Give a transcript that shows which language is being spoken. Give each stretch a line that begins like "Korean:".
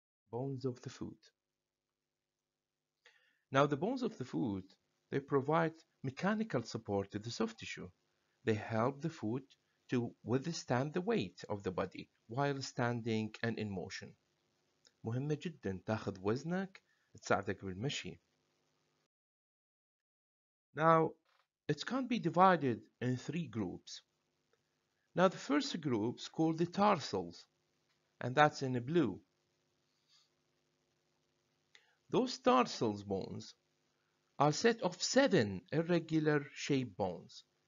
English: Bones of the foot. Now the bones of the foot, they provide mechanical support to the soft tissue. They help the foot to withstand the weight of the body while standing and in motion.
Arabic: مهمة جدا تاخذ وزنك تساعدك بالمشي.
English: Now it can be divided in three groups. Now the first group is called the tarsals, and that's in blue. Those tarsals bones are set of seven irregular shaped bones.